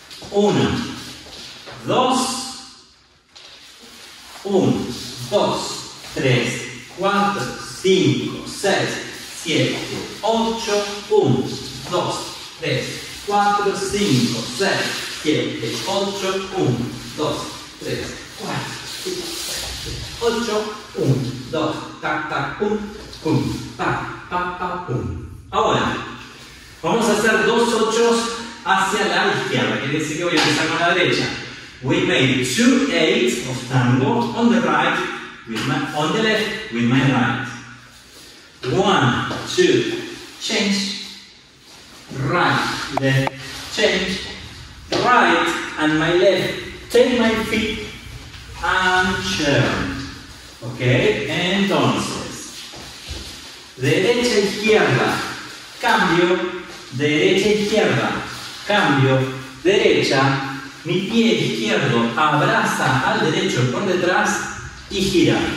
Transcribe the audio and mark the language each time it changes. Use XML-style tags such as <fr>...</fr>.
<es>Uno, dos, uno, dos, tres, cuatro, cinco, seis, siete, ocho, uno, dos, tres, cuatro, cinco, seis, siete, ocho, uno, dos, tres, cuatro, cinco, seis, ocho, uno, dos, ta, ta, pum, pum, pa, pa, pa, pum. Ahora, Vamos a hacer dos ochos hacia la izquierda, quiere decir que voy a empezar con la derecha.</es> <en>We made two eights of tango on the right, with my, on the left, with my right. One, two, change. Right, left, change. Right, and my left, take my feet, and turn.</en> <es>Ok, entonces, derecha, izquierda, cambio, derecha, izquierda, cambio, derecha, mi pie izquierdo abraza al derecho por detrás y gira.</es>